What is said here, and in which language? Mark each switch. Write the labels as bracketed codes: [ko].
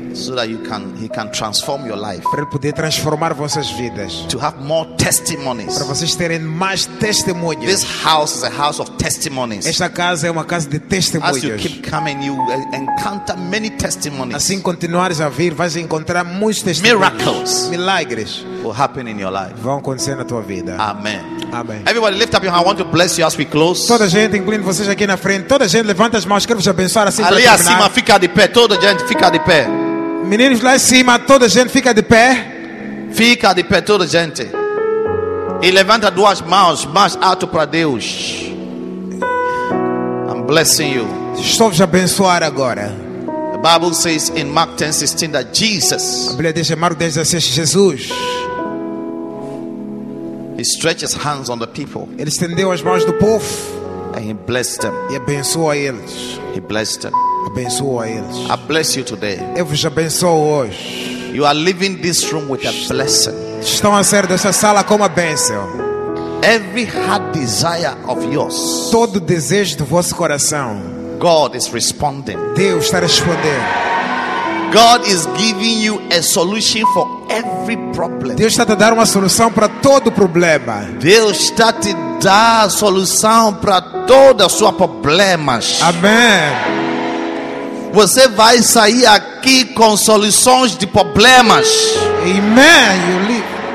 [en] So that you can, he can transform your life. [pt] Para ele poder transformar vossas vidas. [en] To have more testimonies. [pt] Para vocês terem mais testemunhos. [en] This house is a house of testimonies. [pt] Esta casa é uma casa de testemunhos. [en] As you keep coming, you encounter many testimonies. [pt] Assim continuares a vir, vais encontrar muitos testemunhos. [en] Miracles. [pt] Milagres [en] will happen in your life. [pt] Vão acontecer na tua vida. [en] Amen. [pt] Amém. [en] Everybody lift up your hand. I want to bless you as we close. [pt] Toda a gente, incluindo vocês aqui na frente, toda a gente levanta as mãos, quero vos abençoar assim. Ali acima fica de pé, toda a gente fica de pé. Meninos lá em cima, toda a gente fica de pé. Fica de pé toda a gente. E levanta duas mãos mais alto para Deus. [en] I'm blessing you. [pt] Estou vos abençoar agora. [en] The Bible says in Mark 10:16 that Jesus. [pt] A Bíblia diz em Marcos 10:16 Jesus. [en] He stretched his hands on the people. [pt] Ele estendeu as mãos do povo. [en] And he blessed them. [pt] E abençoou a eles. [en] He blessed them. [pt] Abençoou a eles. [en] I bless you today. [pt] Eu vos abençoo hoje. [en] You are leaving this room with a blessing. [pt] Estão a sair dessa sala com uma bênção. [en] Every hard desire of yours. [pt] Todo desejo do vosso coração. [en] God is responding. [pt] Deus está respondendo. [en] God is giving you a solution for every problem. [pt] Deus está a dar uma solução para todo problema. Deus está a te dar solução para todos os seus problemas. Amém. Você vai sair aqui com soluções de problemas. [en] Amém. You live.